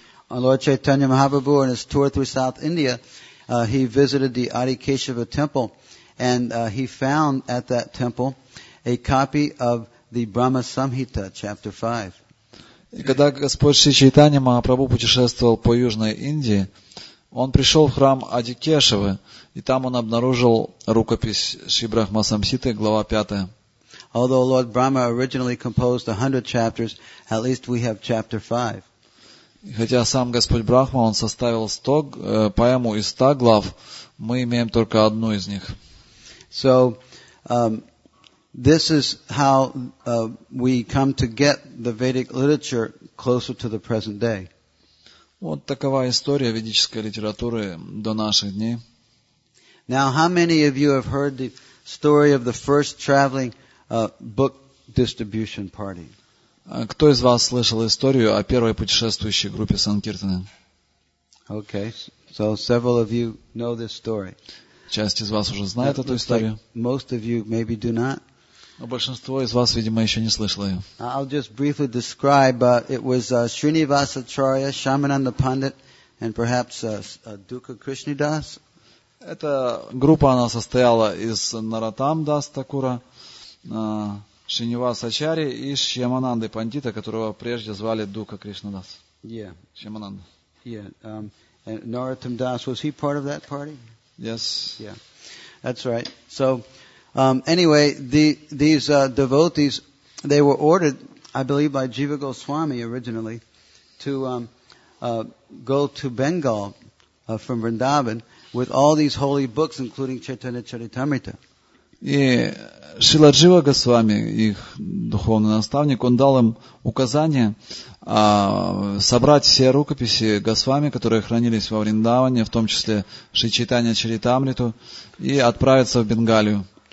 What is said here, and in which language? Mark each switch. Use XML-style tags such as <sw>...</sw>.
<en>Lord Chaitanya Mahaprabhu on his tour through South India, he visited the Adi Keshava temple and he found at that temple a copy of the Brahma Samhita, chapter 5.</en> <ru>И когда Господь Шри Чайтанья Махапрабху путешествовал по Южной Индии, он пришел в храм Ади Кешавы, и там он обнаружил рукопись Шри Брахма Самхиты, глава 5.</ru> <en>Although Lord Brahma originally composed 100 chapters, at least we have chapter 5.</en> <ru>Хотя сам Господь Брахма, он составил 100, поэму из 100 глав, мы имеем только одну из них.</ru> <en>So, this is how we come to get the Vedic literature closer to the present day.</en> <ru>Вот такова история ведической литературы до наших дней.</ru> <en>Now, how many of you have heard the story of the first traveling book distribution party?</en> <ru>Кто из вас слышал историю о первой путешествующей группе Санкиртаны?</ru> <en>Okay, so several of you know this story.</en> <ru>Часть из вас уже знает эту историю.</ru> <en>Most of you maybe do not.</en> <ru>Но большинство из вас, видимо, еще не слышало ее.</ru> <en>I'll just briefly describe, but it was Srinivasacharya, Shamananda Pandit, and perhaps Dukha Krishnadas.</en> <ru>Эта группа, она состояла из Наратам Дас Такура, Шринивас Ачари и Шьямананды Пандита, которого прежде звали Дукха Кришнадас.</ru> <en>Yeah.</en> <ru>Шьямананда.</ru> <en>Yeah. And Наратам Дас, was he part of that party? Yes. Yeah. That's right. So, anyway, these devotees, they were ordered, I believe, by Jiva Goswami originally, to go to Bengal from Vrindavan with all these holy books, including Chaitanya Charitamrita.</en> <ru>И Шрила Джива Госвами, их духовный наставник, он дал им указание собрать все рукописи Госвами, которые хранились во Вриндаване, в том числе Шри Чайтанья Чаритамриту, и отправиться в Бенгалию.</ru>